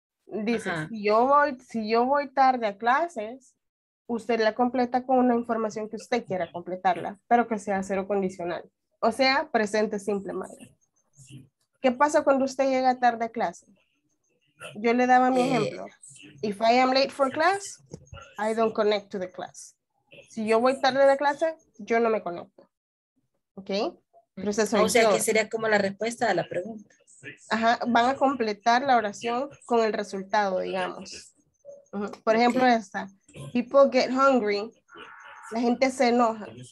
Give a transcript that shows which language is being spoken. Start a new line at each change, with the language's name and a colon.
Spanish: Dice, si yo voy tarde a clases, usted la completa con una información que usted quiera completarla, pero que sea cero condicional. O sea, presente simple, Mayra. ¿Qué pasa cuando usted llega tarde a clase? Yo le daba mi ejemplo.
English: If I am late for class, I don't connect to the class.
Spanish: Si yo voy tarde a la clase, yo no me conecto. ¿Ok? Pero esa soy yo. O sea, que sería como la respuesta a la pregunta. Ajá, van a completar la oración con el resultado, digamos. Uh-huh. Por ejemplo, esta.
English: People get hungry.
Spanish: La gente se enoja.